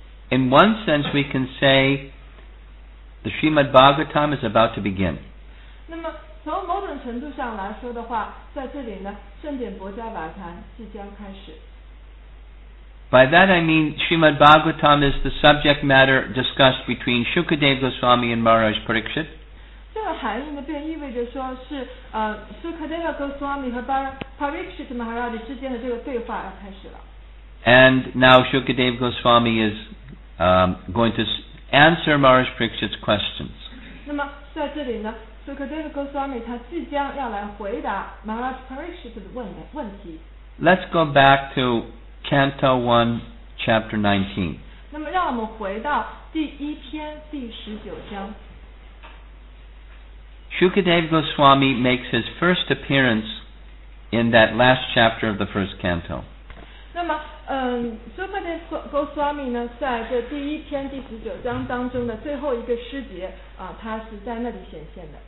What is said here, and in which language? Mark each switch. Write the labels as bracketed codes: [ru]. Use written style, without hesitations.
[en] In one sense, we can say the Srimad Bhagavatam is about to begin. [zh] 那么从某种程度上来说的话，在这里呢，圣典薄伽瓦坛即将开始。 [en] By that I mean Srimad Bhagavatam is the subject matter discussed between Shukadeva Goswami and Maharaj Parikshit. [zh] 这个含义呢，便意味着说是Shukadeva Goswami 和 Parikshit Maharaj 之间的这个对话要开始了。 [en] And now Shukadeva Goswami is going to answer Maharaj Parikshit's questions. [zh] 那么在这里呢，Shukadeva Goswami 他即将要来回答Maharaj Parikshit的问题。 [en] Let's go back to Canto 1, Chapter 19. [zh] 那么让我们回到第一篇第19章。 [en] Shukadeva Goswami makes his first appearance in that last chapter of the first canto. [zh] 那么，Shukadeva Goswami呢，在这第一篇第十九章当中的最后一个诗节，他是在那里显现的。